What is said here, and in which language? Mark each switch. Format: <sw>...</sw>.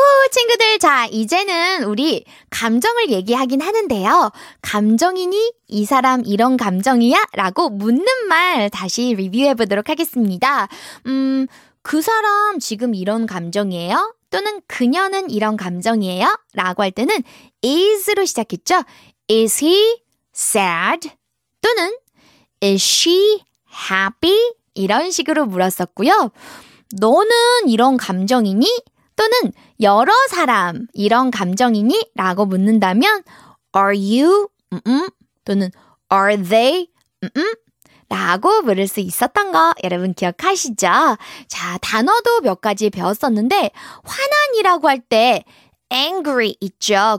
<ko>친구들, 자, 이제는 우리 감정을 얘기하긴 하는데요. 감정이니? 이 사람 이런 감정이야? 라고 묻는 말 다시 리뷰해 보도록 하겠습니다. 그 사람 지금 이런 감정이에요? 또는 그녀는 이런 감정이에요? 라고 할 때는 is로 시작했죠.</ko> <en>Is he sad?</en> <ko>또는</ko> <en>is she happy?</en> <ko>이런 식으로 물었었고요. 너는 이런 감정이니? 또는 여러 사람 이런 감정이니? 라고 묻는다면</ko> <en>are you?</en> <ko>또는</ko> <en>are they?</en> <ko>라고 물을 수 있었던 거 여러분 기억하시죠? 자, 단어도 몇 가지 배웠었는데 화난이라고 할 때 angry 있죠.</ko>